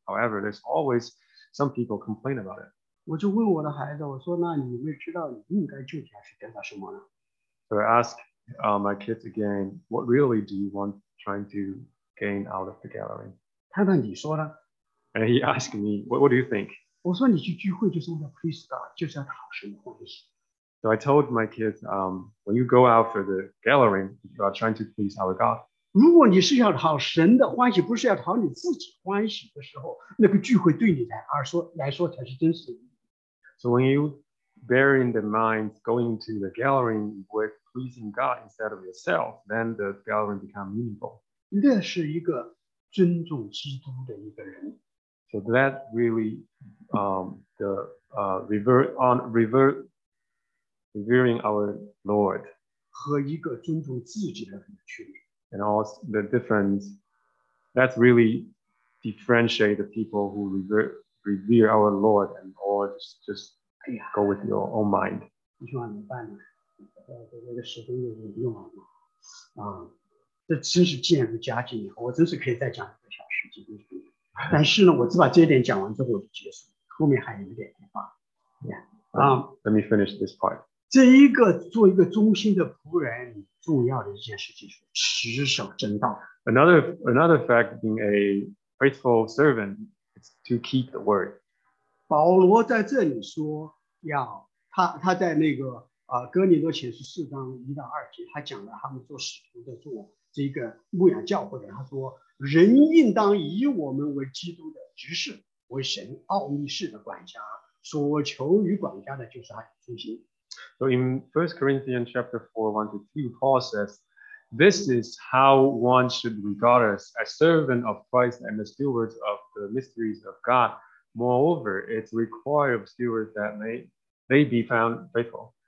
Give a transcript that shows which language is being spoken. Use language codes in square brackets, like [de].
[en] However, there's always some people complain about it. [zh] 我就问我的孩子，我说，那你会知道你应该具体是得到什么呢？ [en] So I ask my kids again, what really do you want trying to gain out of the gathering? [zh] 他问你说呢？ [en] And he asked me, what do you think? [zh] 我说你去聚会就是为了 [en] please God， [zh] 就是要讨神的欢喜。 [en] So I told my kids, when you go out for the gathering, you are trying to please our God. [zh] 如果你是要讨神的欢喜，不是要讨你自己欢喜的时候，那个聚会对你来说才是真实的。 [en] So when you bear in the mind going to the gathering with pleasing God instead of yourself, then the gathering becomes meaningful. [zh] 那是一个尊重基督的一个人。 [en] So that really, revering our Lord, [zh] 和一个尊重自己的人的区别 [en] and also the difference, that's really differentiate the people who revere our Lord and all just go with your own mind. [zh] 弟兄啊，怎么办呢？那个时间又不用了吗？啊，这真是渐入佳境了。我真是可以再讲一个小时，几分钟。但是呢，我只把这一点讲完之后我就结束，后面还有一点的话。 [en] Let me finish this part. [zh] 这一个做一个忠心的仆人，重要的一件事情是持守真道。 [en] Another fact being a faithful servant is to keep the word. [zh] 保罗在这里说，要他在那个哥林多前书四章一到二节，他讲了他们做使徒的做这个牧养教会的，他说。人应当以我们为基督的执事，为神奥秘事的管家，所求与管家的就是他的忠心。 [en] So in 1 Corinthians chapter 4, 1 to 2, Paul says, this is how one should regard us as servant of Christ and the stewards of the mysteries of God. Moreover, it's required of stewards that they be found faithful.